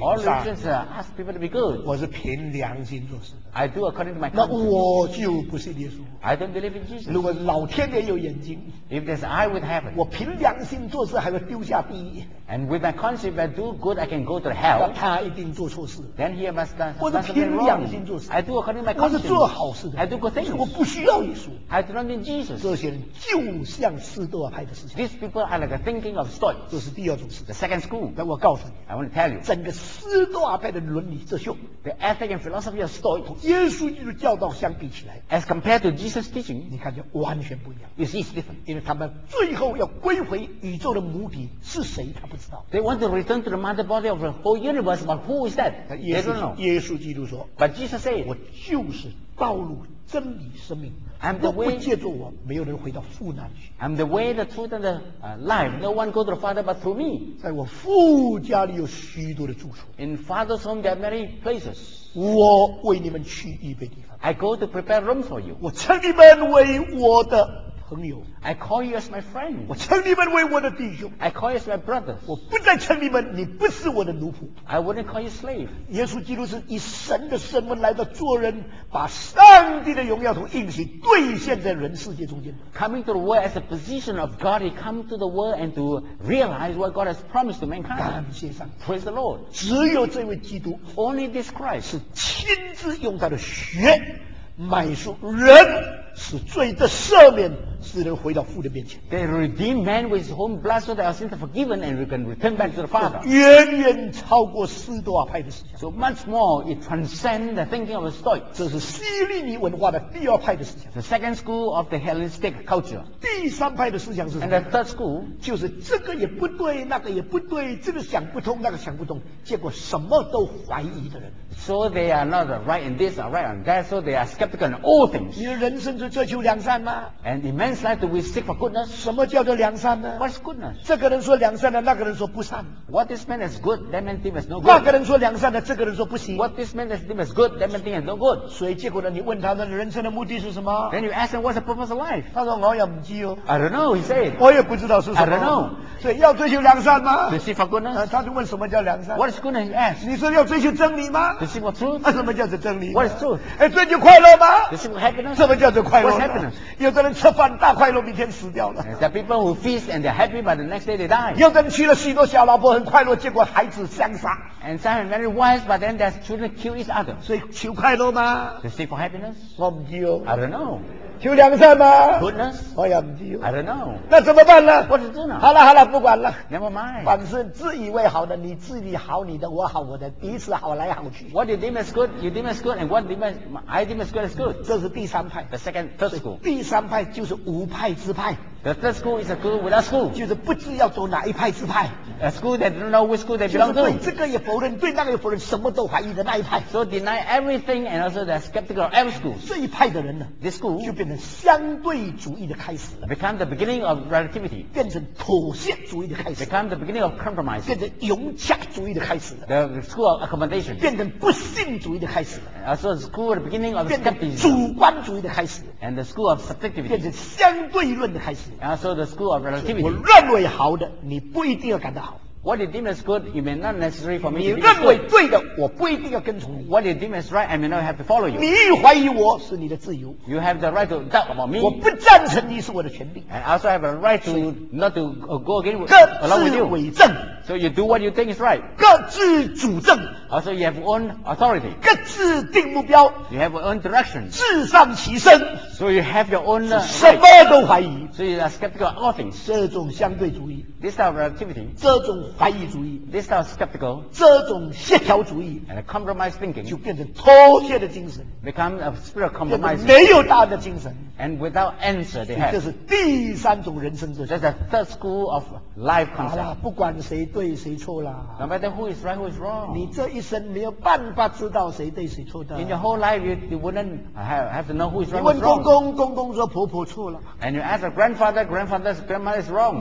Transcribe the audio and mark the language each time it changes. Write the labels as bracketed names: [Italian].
[English] All religions ask people to be good. [Chinese] 我是凭良心做事的。 [English] I do according to my [Chinese] conscience. 那我就不信耶稣。 [English] I don't believe in Jesus. [Chinese] 如果老天爷有眼睛。 [English] If there's eye with heaven. [Chinese] 我凭良心做事还会丢下第一。 [English] And with my conscience, if I do good, I can go to hell. [Chinese] 那他一定做错事。 [English] Then he must done something wrong. [Chinese] 我是凭良心做事。 [English] I do according to my conscience. [Chinese] 我是做好事的。 [English] I do good things. [Chinese] 我不需要耶稣。 [English] I do not need Jesus. [Chinese] 这些人就像施多派的事情。 [English] These people are like a thinking of stoics. [Chinese] 这是第二种事。 [English] Second school. [Chinese] 但我告诉你， [English] I want to tell you, [Chinese] 整个斯多派的伦理哲学， [English] the ethic and philosophy of Stoics, [Chinese] 同耶稣基督教导相比起来， [English] as compared to Jesus' teaching, [Chinese] 你看就完全不一样。 [English] It's different. [Chinese] 因为他们最后要归回宇宙的母体是谁，他不知道。 [English] They want to return to the mother body of the whole universe, but who is that? They don't know. [Chinese] 耶稣基督说， [English] but Jesus said, [Chinese] 我就是道路、真理、生命。 [English] I'm the way, [Chinese] 若不借助我，没有人回到父那里去。 [English] I'm the way, the truth, and the life. No one goes to the Father but through me. [Chinese] 在我父家里有许多的住处。 [English] In Father's home there are many places. [Chinese] 我为你们去预备地方。 [English] I go to prepare room for you. [Chinese] 我称你们为我的朋友。 [English] I call you as my friend. [Chinese] 我称你们为我的弟兄。 [English] I call you as my brothers. [Chinese] 我不再称你们，你不是我的奴仆。 [English] I wouldn't call you slave. [Chinese] 耶稣基督是以神的身份来到做人，把上帝的荣耀从应许兑现在人世界中间。 [English] Coming to the world as a position of God, he come to the world and to realize what God has promised to mankind. [Chinese] 感谢上帝。 [English] Praise the Lord. [Chinese] 只有这位基督 [English] ，Only this Christ， [Chinese] 是亲自用他的血买赎人。使罪的赦免，使人回到父的面前。 [English] They redeem man with his own blood, so that our sins are forgiven, and we can return back to the Father. [Chinese] 远远超过斯多亚派的思想。 [English] So much more, it transcends the thinking of the Stoics. [Chinese] 这是希利尼文化的第二派的思想。 [English] The second school of the Hellenistic culture. [Chinese] 第三派的思想是什么？ [English] And the third school [Chinese] 就是这个也不对，那个也不对，这个想不通，那个想不通，结果什么都怀疑的人。 [English] So they are not right in this or right on that, so they are skeptical in all things. [Chinese] 你的人生就追求良善吗？ [English] And immense life do we seek for goodness? [Chinese] 什么叫做良善呢？ [English] What's goodness? [Chinese] 这个人说良善的，那个人说不善。 [English] What this man is good, that man deem is no good. [Chinese] 那个人说良善的，这个人说不行。 [English] What this man is deem is good, that man deem is no good. [Chinese] 所以结果呢，你问他的人生的目的是什么？ [English] Then you ask him what's the purpose of life? [Chinese] 他说我也不知哦。 [English] I don't know, he said. [Chinese] 我也不知道是什么。 [English] I don't know. [Chinese] 所以要追求良善吗？ [English] To seek for goodness. [Chinese] 他就问什么叫良善？ [English] What is goodness? He asked. [Chinese] 你说要追求真理吗？ [English] To seek for truth. [Chinese] 那什么叫做真理？ [English] What is truth? [Chinese] 哎，追求快乐吗？ [English] To seek for happiness. [Chinese] 什么叫做快乐？ [English] What's happiness? [Chinese] 有的人吃饭大快乐，明天死掉了。 [English] There are people who feast and they're happy, but the next day they die. [Chinese] 有的人娶了许多小老婆，很快乐，结果孩子相杀。 [English] And some are very wise, but then their children kill each other. [Chinese] 所以求快乐吗？ [English] To seek for happiness? [Chinese] 我不知道。 [English] I don't know. [Chinese] 求良善吗？ [English] Goodness? [Chinese] 我也不知道。 [English] I don't know. [Chinese] 那怎么办呢？ [English] What is it now? [Chinese] 好了好了，不管了。 [English] Never mind. [Chinese] 反正自以为好的，你自己好你的，我好我的，彼此好来好去。 [English] What you deem is good, you deem is good, and what I deem is good is good. [Chinese] 这是第三派。 [English] The second, third school. [Chinese] 第三派就是无派之派。 [English] The third school is a school without school. [Chinese] 就是不知要走哪一派之派。 [English] A school that don't know which school they belong to. [Chinese] 就是对这个也否认，对那个也否认，什么都怀疑的那一派。 [English] So deny everything and also they're skeptical of every school. [Chinese] 这一派的人呢 [English] ，this school [Chinese] 就变成相对主义的开始。 [English] Become the beginning of relativity. [Chinese] 变成妥协主义的开始。 [English] Become the beginning of compromise. [Chinese] 变成融洽主义的开始。 [English] The school of accommodation. [Chinese] 变成不信主义的开始。 [English] Also the school of the beginning of skepticism. [Chinese] 主观主义的开始。 [English] And the school of subjectivity. [Chinese] 变成相对论的开始。 [English] And so the school of relativity. [Chinese] 我认为好的，你不一定要感到好。 [English] What you deem is good, you may not necessary for me. [Chinese] 你认为对的，我不一定要跟从你。 [English] What you deem is right, I may not have to follow you. [Chinese] 你一怀疑我是你的自由。 [English] You have the right to doubt about me. [Chinese] 我不赞成你是我的权利。 [English] And also have a right to not to go against along with you. [Chinese] 各自为政。 [English] So you do what you think is right. [Chinese] 各自主政。 [English] Also you have own authority. [Chinese] 各自定目标。 [English] You have your own direction. [Chinese] 自上其身。 [English] So you have your own right. [Chinese] 什么都怀疑。 [English] So you are skeptical of all things. [Chinese] 这种相对主义。 [English] This type of relativity. [Chinese] 这种怀疑主义。 [English] This type of skeptical. [Chinese] 这种协调主义。 [English] And a compromise thinking. [Chinese] 就变成妥协的精神。 [English] Become a spirit of compromise. [Chinese] 没有答案的精神。 [English] And without answer they have. [Chinese] 这是第三种人生哲学。 [English] That's the third school of life concept. [Chinese] 好啦，不管谁对谁错啦。 [English] No matter who is right, who is wrong. [Chinese] 你这一生没有办法知道谁对谁错的。 [English] In your whole life, you wouldn't have to know who is right, who is wrong. [Chinese] 你问公公，公公说婆婆错了。 [English] And you ask a grandfather, grandfather's grandmother is wrong.